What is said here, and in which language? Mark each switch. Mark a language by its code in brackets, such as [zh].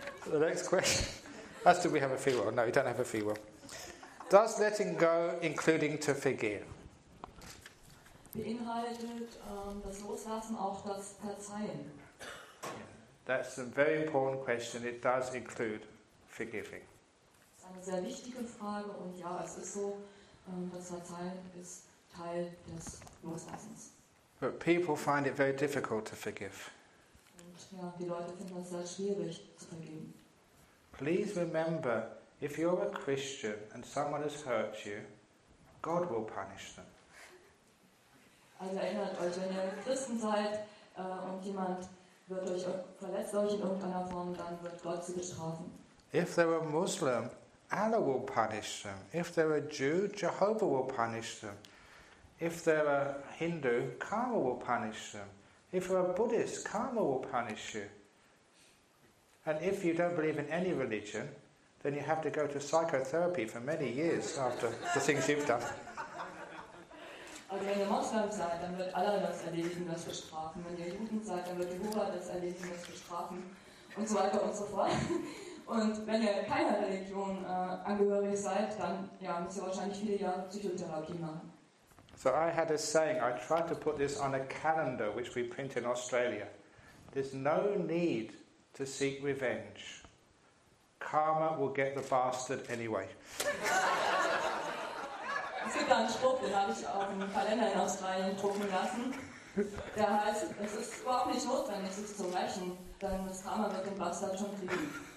[en] The next question. I still we have a free will. No, you don't have a free will. Does letting go, including to forgive? [de] Beinhaltet das Loslassen auch das Verzeihen? [en] That's a very important question. It does include forgiving. [de] Das ist eine sehr wichtige Frage und ja, es ist so, das Verzeihen ist Teil des Loslassens. [en] But people find it very difficult to forgive. [de] Und ja, die Leute finden das sehr schwierig zu vergeben. [en] Please remember, if you're a Christian and someone has hurt you, God will punish them. [de] Also erinnert euch, wenn ihr Christen seid und jemand wird euch verletzt, euch in irgendeiner Form, dann wird Gott sie bestrafen. [en] If they're a Muslim, Allah will punish them. If they're a Jew, Jehovah will punish them. If they're a Hindu, karma will punish them. If you're a Buddhist, karma will punish you. And if you don't believe in any religion, then you have to go to psychotherapy for many years after the things you've done. [de] Also wenn ihr Moslem seid, dann wird Allah das erledigen, das bestrafen. Wenn ihr Juden seid, dann wird Jehovah das erledigen, das bestrafen. Und so weiter und so fort. Und wenn ihr keiner Religion angehörig seid, dann ja, müsst ihr wahrscheinlich viele Jahre Psychotherapie machen. [en] So I had a saying, I tried to put this on a calendar which we print in Australia. There's no need to seek revenge. Karma will get the bastard anyway. [de] Es gibt einen Spruch, den habe ich auf dem Kalender in Australien drucken lassen. Der heißt, es ist überhaupt nicht notwendig, sich zu rächen, denn das Karma wird den Bastard schon kriegen.